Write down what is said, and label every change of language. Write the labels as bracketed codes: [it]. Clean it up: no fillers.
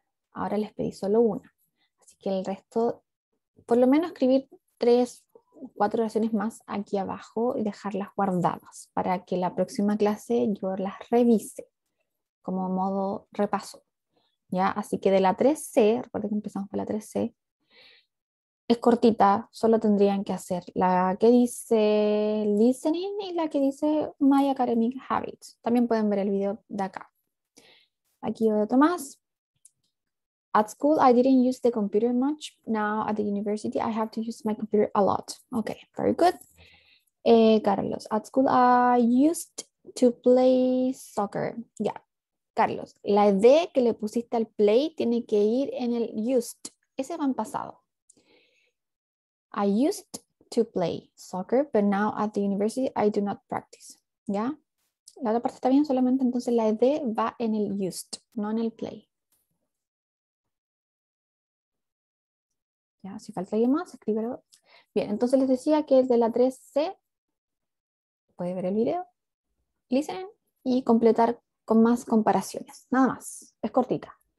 [es] Ahora les pedí solo una. Así que el resto, por lo menos escribir 3 o 4 oraciones más aquí abajo y dejarlas guardadas para que la próxima clase yo las revise como modo repaso. ¿Ya? Así que de la 3C, recuerden que empezamos con la 3C, es cortita, solo tendrían que hacer la que dice listening y la que dice my academic habits. También pueden ver el video de acá. Aquí otro más. [en] At school, I didn't use the computer much. Now at the university, I have to use my computer a lot. Okay, very good. Carlos, at school, I used to play soccer. [es] Yeah, Carlos, la D que le pusiste al play tiene que ir en el used. Ese va en pasado. [en] I used to play soccer, but now at the university, I do not practice. [es] ¿Ya? La otra parte está bien, solamente entonces la ED va en el used, no en el play. ¿Ya? Si falta alguien más, escríbelo. Bien, entonces les decía que es de la 3C. Puede ver el video. Listen y completar con más comparaciones. Nada más. Es cortita.